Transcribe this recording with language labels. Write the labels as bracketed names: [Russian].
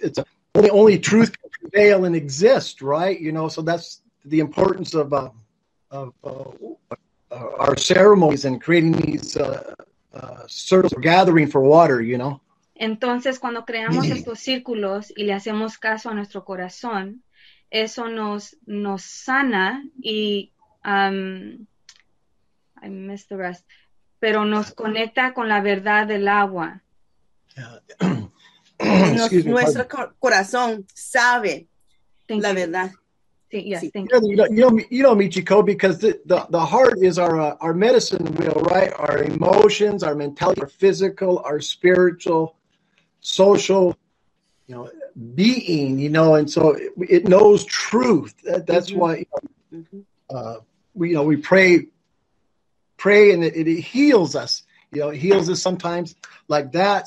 [English] It's only truth can prevail and exist, right? You know, so that's the importance of our ceremonies and creating these circles, gathering for water, you know. [Spanish] Entonces, cuando creamos estos círculos y le hacemos caso a nuestro corazón, eso nos sana y [English] I missed the rest. [Spanish] Pero nos conecta con la verdad del agua. Nuestro corazón sabe la verdad. [English] Sí, yes, thank you. You know, Michiko, because the heart is our medicine wheel, right? Our emotions, our mentality, our physical, our spiritual, social, you know, being, you know, and so it knows truth. That's why, you know, we pray and it heals us, you know. It heals us sometimes like that.